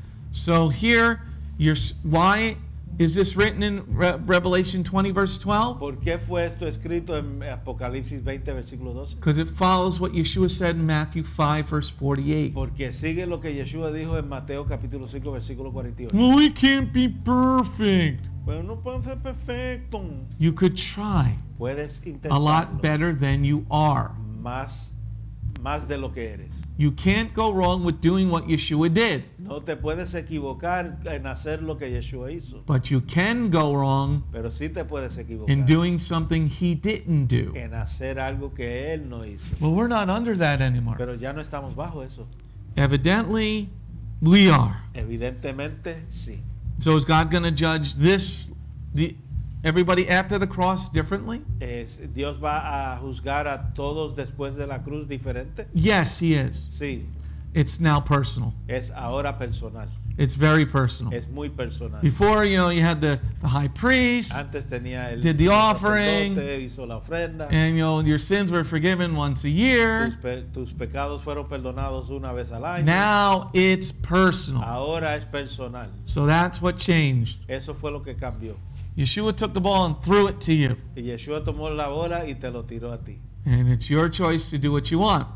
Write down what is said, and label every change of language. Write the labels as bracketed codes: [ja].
[en] So here, why is this written in Revelation 20, verse 12? [es] ¿Por qué fue esto escrito en Apocalipsis 20, versículo 12? [en] Because it follows what Yeshua said in Matthew 5, verse 48. [es] Porque sigue lo que Yeshua dijo en Mateo, capítulo 5, versículo 48. [en] Well, we can't be perfect. [es] Pero no pueden ser perfecto. [en] You could try. [es] Puedes intentarlo. [en] A lot better than you are. [es] Más de lo que eres. [en] You can't go wrong with doing what Yeshua did. [es] No te puedes equivocar en hacer lo que Yeshua hizo. [en] But you can go wrong. [es] Pero sí te puedes equivocar. [en] In doing something he didn't do. [es] En hacer algo que él no hizo. [en] Well, we're not under that anymore. [es] Pero ya no estamos bajo eso. [en] Evidently, we are. [es] Evidentemente, sí. [en] So is God going to judge this, everybody after the cross differently? [es] ¿Dios va a juzgar a todos después de la cruz diferente? [en] Yes, he is. [es] Sí. [en] It's now personal. [es] Es ahora personal. [en] It's very personal. [es] Es muy personal. [en] Before, you know, you had the high priest. [es] Antes tenía el [en] did the offering. [es] Hizo la ofrenda. [en] And, you know, your sins were forgiven once a year. [es] Tus pecados fueron perdonados una vez al año. [en] Now it's personal. [es] Ahora es personal. [en] So that's what changed. [es] Eso fue lo que cambió. [en] Yeshua took the ball and threw it to you. [es] Y Yeshua tomó la bola y te lo tiró a ti. [en] And it's your choice to do what you want.